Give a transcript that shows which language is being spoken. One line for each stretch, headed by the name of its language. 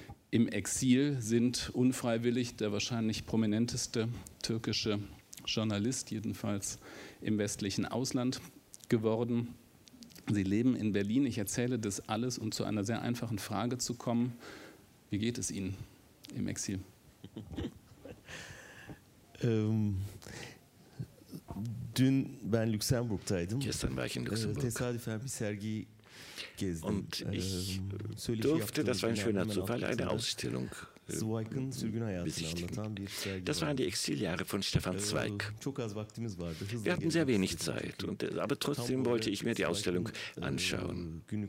German: im Exil sind, unfreiwillig der wahrscheinlich prominenteste türkische Journalist, jedenfalls im westlichen Ausland geworden. Sie leben in Berlin. Ich erzähle das alles, um zu einer sehr einfachen Frage zu kommen. Wie geht es Ihnen im Exil?
Turkish: Dün ben Luxemburg'taydım.
German: Gestern war ich in Luxemburg.
Turkish: Tesadüfen bir sergi gezdim.
German: Und ich durfte, das war ein schöner Zufall, eine Ausstellung besichtigen. Das waren die Exiljahre von Stefan Zweig. Wir hatten sehr wenig Zeit, aber trotzdem wollte ich mir die Ausstellung anschauen.